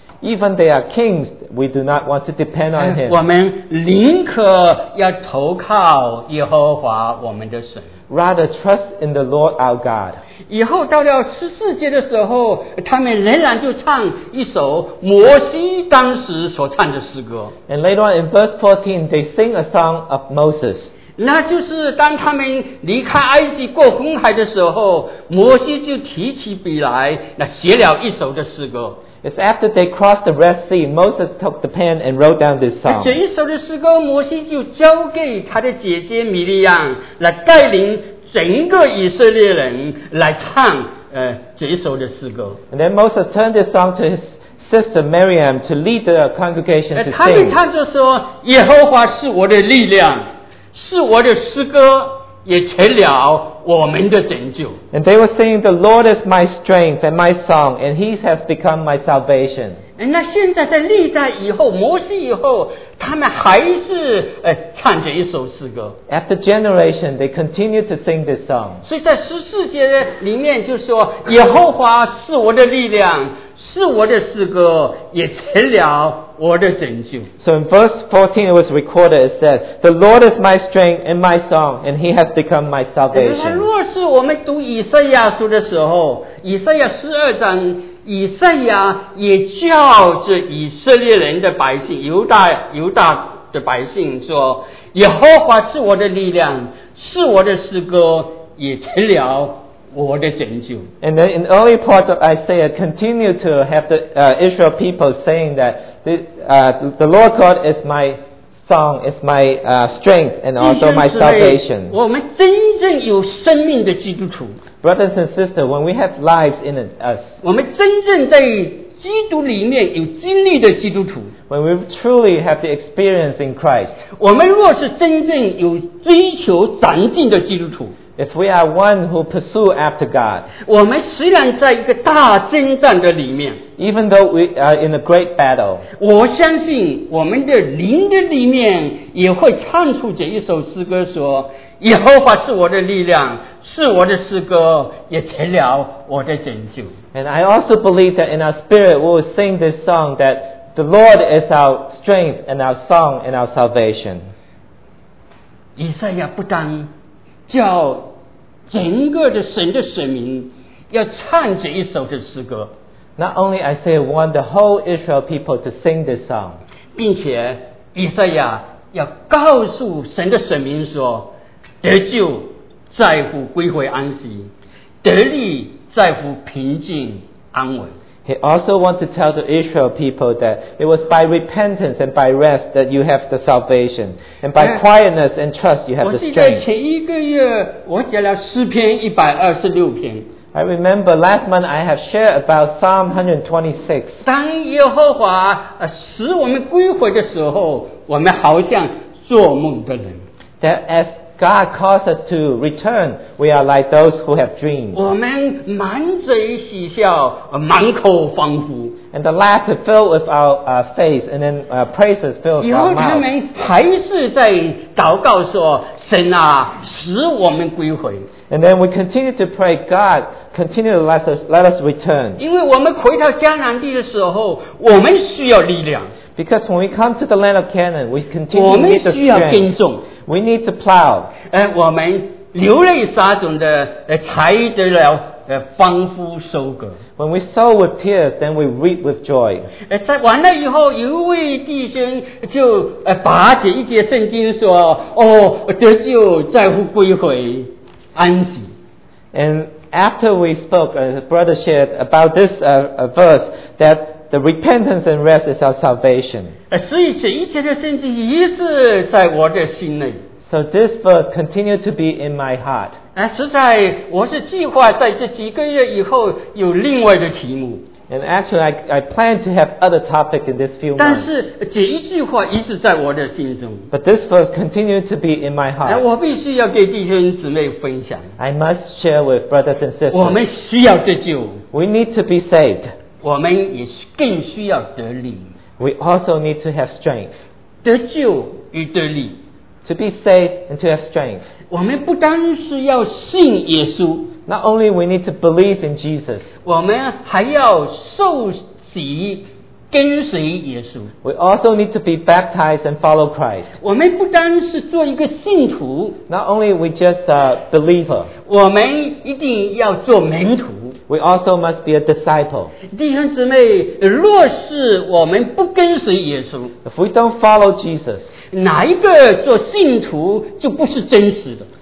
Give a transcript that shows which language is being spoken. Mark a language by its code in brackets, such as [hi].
[en] Even they are kings, we do not want to depend on him. [zh] 我们宁可要投靠耶和华我们的神, [en] rather trust in the Lord our God. [zh] 以后到了14节的时候, 他们仍然就唱一首摩西当时所唱的诗歌, [en] and later on in verse 14, they sing a song of Moses. [zh] 那就是当他们离开埃及过红海的时候, 摩西就提起笔来写了一首的诗歌. [en] It's after they crossed the Red Sea, Moses took the pen and wrote down this song. [zh] 这一首的诗歌, 摩西就交给他的姐姐米利亚来带领整个以色列人来唱这首的诗歌。 [en] And then Moses turned this song to his sister Miriam to lead the congregation to sing. [zh] 他一唱就说：“耶和华是我的力量，是我的诗歌，也成了我们的拯救。” [en] And they were singing, "The Lord is my strength and my song, and He has become my salvation." [zh] 那现在在历代以后，摩西以后，他们还是唱这一首诗歌。 [en] After generation, they continue to sing this song. [zh] 所以在十四节里面就说：“耶和华是我的力量，是我的诗歌，也成了我的拯救。” [en] So in verse 14, it was recorded, it said, "The Lord is my strength and my song, and He has become my salvation." [zh] 若是我们读以赛亚书的时候，以赛亚十二章，以赛亚也叫着以色列人的百姓，犹大的百姓说：“耶和华是我的力量，是我的诗歌，也成了我的拯救。” [en] And then in early parts of Isaiah, continue to have the Israel people saying that the Lord God is my song, is my strength, and also my salvation. [zh] 我们真正有生命的基督徒。 [en] Brothers and sisters, when we have lives in us, [zh] 我们真正在基督里面有经历的基督徒。 [en] When we truly have the experience in Christ, [zh] 我们若是真正有追求长进的基督徒。 [en] If we are one who pursue after God, [zh] 我们虽然在一个大征战的里面， [en] even though we are in a great battle, [zh] 我相信我们的灵的里面也会唱出这一首诗歌，说：“耶和华是我的力量，是我的诗歌，也成了我的拯救。” [en] And I also believe that in our spirit we will sing this song that the Lord is our strength and our song and our salvation. [zh] 以赛亚不单叫整个的神的选民要唱这一首的诗歌。 [en] Not only I say want the whole Israel people to sing this song, [zh] 并且以赛亚要告诉神的选民说：“得救在乎归回安息，得力在乎平静安稳。” [en] He also wants to tell the Israel people that it was by repentance and by rest that you have the salvation. And by quietness and trust, you have the strength. [zh] 我记得前一个月我写了诗篇126篇。 [en] I remember last month I have shared about Psalm 126. [zh] 当耶和华使我们归回的时候，我们好像做梦的人。 [en] That as God calls us to return, we are like those who have dreams. [zh] 我们满嘴喜笑，满口欢呼。 [en] And the laughter filled with our face, and then praises filled with our mouth. [zh] 以后他们还是在祷告说：“神啊，使我们归回。” [en] And then we continue to pray, God, continue to let us return. [zh] 因为我们回到迦南地的时候，我们需要力量。 [en] Because when we come to the land of Canaan, we continue to need the strength. [zh] 我们需要耕种。 [en] We need to plow. [zh] 我们流泪撒种的才得了丰富收割。 [en] When we sow with tears, then we reap with joy. [zh] 在完了以后，有一位弟兄就把这一节圣经说：“哦，得救在乎归回安息。” [en] And after we spoke, a brother shared about this verse that the repentance and rest is our salvation. [zh] 所以这一切的圣经一直在我的心内。 [en] So this verse continued to be in my heart. [zh] 实在我是计划在这几个月以后有另外的题目。 [en] And actually I plan to have other topics in this few months. [zh] 但是这一句话一直在我的心中。 [en] But this verse continued to be in my heart. [zh] 我必须要给弟兄姊妹分享。 [en] I must share with brothers and sisters. [zh] 我们需要得救。 [en] We need to be saved. [zh] 我们也更需要得力。 [en] We also need to have strength. [zh] 得救与得力。 [en] To be saved and to have strength. [zh] 我们不单是要信耶稣。 [en] Not only we need to believe in Jesus. [zh] 我们还要受洗跟随耶稣。 [en] We also need to be baptized and follow Christ. [zh] 我们不单是做一个信徒。 [en] Not only we just a believer. [zh] 我们一定要做门徒。 [en] We also must be a disciple. [zh] 弟兄姊妹，若是我们不跟随耶稣， [en] if we don't follow Jesus, [zh] 哪一个做信徒就不是真实的？